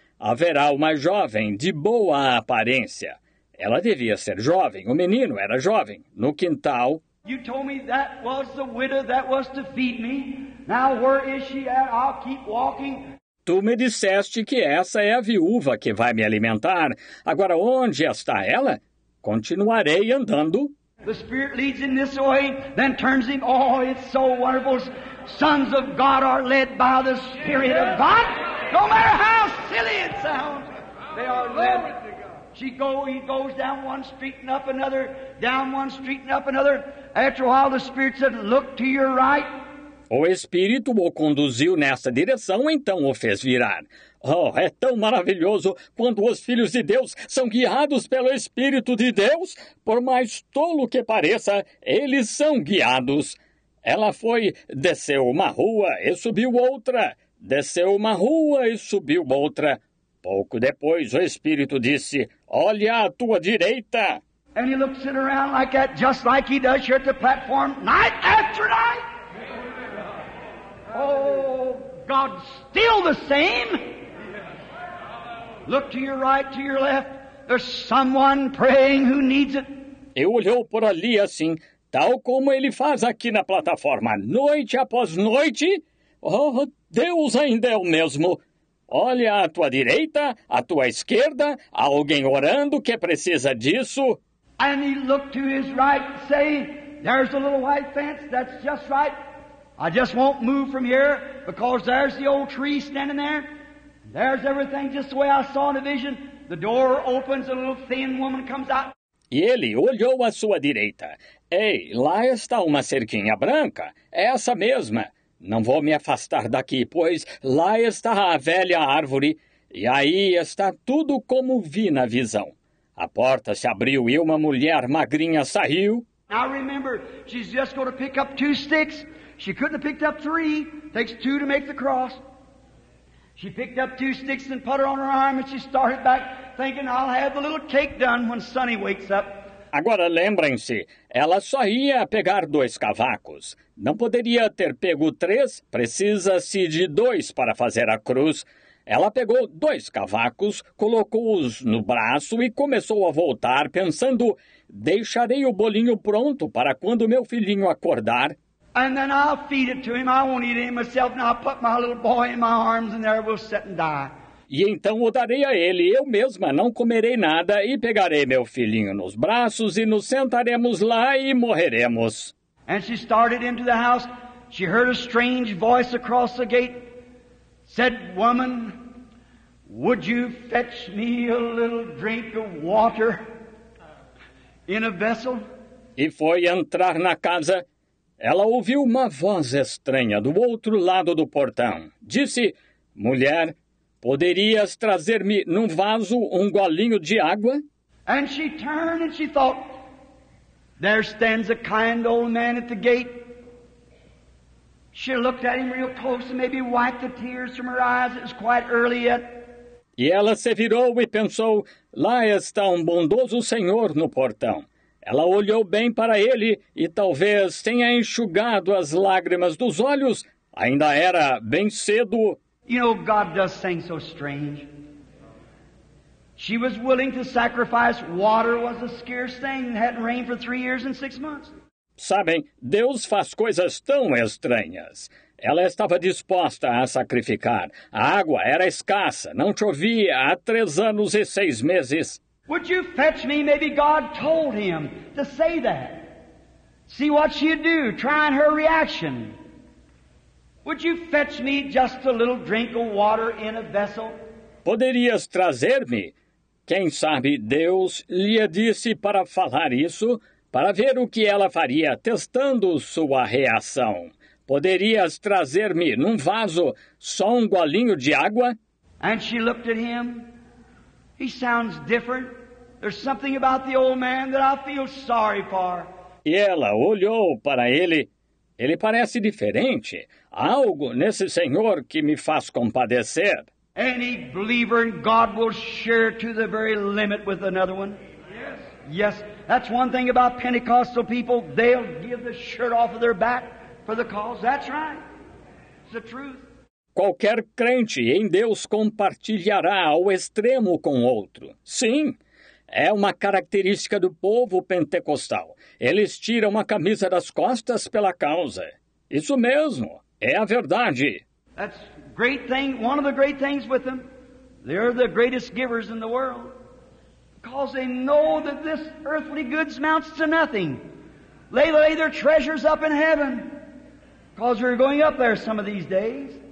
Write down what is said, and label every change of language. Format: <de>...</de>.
<pt>Haverá uma jovem de boa aparência. Ela devia ser jovem. O menino era jovem. No quintal...</pt> <en>You told me that was the widow that was to feed me. Now where is she at? I'll keep walking.</en> <pt>Tu me disseste que essa é a viúva que vai me alimentar. Agora onde está ela? Continuarei andando.</pt> <en>The spirit leads in this way, then turns him. Oh, it's so wonderful. Sons of God are led by the Spirit of God. No matter how silly it sounds, they are led. He goes down one street and up another, down one street and up another. After a while, the Spirit said, look to your right.</en> <pt>O Espírito o conduziu nessa direção, então o fez virar. Oh, é tão maravilhoso quando os filhos de Deus são guiados pelo Espírito de Deus. Por mais tolo que pareça, eles são guiados. Ela foi, desceu uma rua e subiu outra. Desceu uma rua e subiu outra. Pouco depois, o Espírito disse, olha à tua direita.</pt> <en>And he looks it around like that, just like he does here at the platform, night after night. Oh, God's still the same. Look to your right, to your left. There's someone praying who needs it.</en> <pt>E olhou por ali assim, tal como ele faz aqui na plataforma, noite após noite. Oh, Deus ainda é o mesmo. Olha à tua direita, à tua esquerda, há alguém orando que precisa disso.</pt> <en>And he looked to his right, saying, there's a little white fence, that's just right. I just won't move from here, because there's the old tree standing there. There's everything just the way I saw in the vision. The door opens, a little thin woman comes out.</en> <pt>E ele olhou à sua direita. Ei, lá está uma cerquinha branca, essa mesma. Não vou me afastar daqui, pois lá está a velha árvore. E aí está tudo como vi na visão. A porta se abriu e uma mulher magrinha saiu.</pt> <en>I remember, she's just going to pick up two sticks. She couldn't have picked up three. Takes two to make the cross. She picked up two sticks and put her on her arm and she started back thinking, I'll have the little cake done when Sonny wakes up.</en> <pt>Agora lembrem-se, ela só ia pegar dois cavacos. Não poderia ter pego três, precisa-se de dois para fazer a cruz. Ela pegou dois cavacos, colocou-os no braço e começou a voltar, pensando, deixarei o bolinho pronto para quando meu filhinho acordar.</pt> <en>And then I'll feed it to him. I won't eat it myself. And I'll put my little boy in my arms and there we'll sit and die.</en> <pt>E então o darei a ele, eu mesma não comerei nada e pegarei meu filhinho nos braços e nos sentaremos lá e morreremos.</pt> <en>And she started into the house. She heard a strange voice across the gate. Said, woman, would you fetch me a little drink of water in a vessel?</en> <pt>E foi entrar na casa. Ela ouviu uma voz estranha do outro lado do portão. Disse, mulher, poderias trazer-me num vaso um golinho de água?</pt> <en>And she turned and she thought, there stands a kind old man at the gate. She looked at him real close and maybe wiped the tears from her eyes. It was quite early yet.</en> <pt>E ela se virou e pensou, lá está um bondoso senhor no portão. Ela olhou bem para ele e talvez tenha enxugado as lágrimas dos olhos. Ainda era bem cedo.</pt> <en>You know, God does things so strange. She was willing to sacrifice. Water was a scarce thing. It hadn't rained for 3 years and 6 months.</en> <pt>Sabem, Deus faz coisas tão estranhas. Ela estava disposta a sacrificar. A água era escassa, não chovia há 3 anos e 6 meses.</pt> <en>Would you fetch me? Maybe God told him to say that. See what she'd do, trying her reaction. Would you fetch me just a little drink of water in a vessel?</en> <pt>Poderias trazer-me? Quem sabe Deus lhe disse para falar isso, para ver o que ela faria, testando sua reação. Poderias trazer-me, num vaso, só um golinho de água?</pt> <en>And she looked at him. He sounds different. There's something about the old man that I feel sorry for.</en> <pt>E ela olhou para ele. Ele parece diferente. Há algo nesse senhor que me faz compadecer.</pt> <en>Any believer in God will share to the very limit with another one. Yes, that's one thing about Pentecostal people. They'll give the shirt off of their back for the cause. That's right. It's the truth.</en> <pt>Qualquer crente em Deus compartilhará ao extremo com outro. Sim, é uma característica do povo pentecostal. Eles tiram a camisa das costas pela causa. Isso mesmo, é a verdade.</pt> <en>That's great thing, one of the great things with them. They're the greatest givers in the world. Because they know that this earthly goods amounts to nothing. They lay their treasures up in heaven. Because they're going up there some of these days.</en>